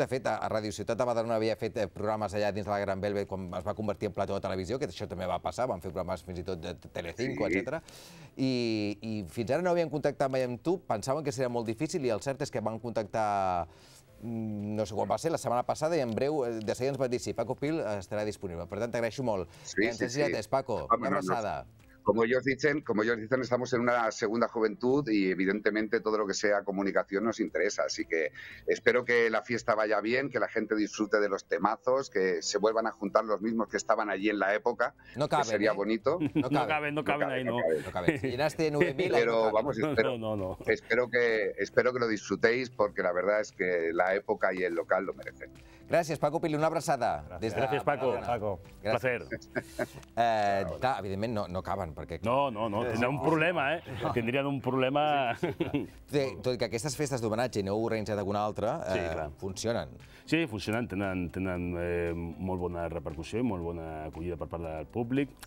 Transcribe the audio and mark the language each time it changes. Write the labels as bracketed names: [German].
[Catalan] De fet, a Radio Ciutat de Badalona havia fet programes allà dins de la Gran Velvet quan es va convertir en plató de televisió, que això també va passar, vam fer programes fins i tot de Telecinco, etcètera. I fins ara no havíem contactat mai amb tu, pensaven que seria molt difícil, i el cert és que vam contactar, no sé quan va ser, la setmana passada, i en breu, de seguida ens van dir si Paco Pil estarà disponible. Per tant, t'agraeixo molt. Sí, sí, sí. Paco, una abraçada. [Spanish] Como ellos dicen, estamos en una segunda juventud y evidentemente todo lo que sea comunicación nos interesa. Así que espero que la fiesta vaya bien, que la gente disfrute de los temazos, que se vuelvan a juntar los mismos que estaban allí en la época. No caben. Que sería bonito. No caben ahí. Pero vamos, espero que lo disfrutéis, porque la verdad es que la época y el local lo merecen. [Catalan] Gràcies, Paco Pili, una abraçada. Gràcies, Paco. Gràcies. [Spanish] Un placer. [Catalan] Clar, evidentment, no caben, perquè... No, tindrà un problema, eh? Tindrien un problema... Sí, sí, tot i que aquestes festes d'homenatge, n'heu organitzat alguna altra, funcionen. Sí, funcionen, tenen molt bona repercussió, molt bona acollida per part del públic.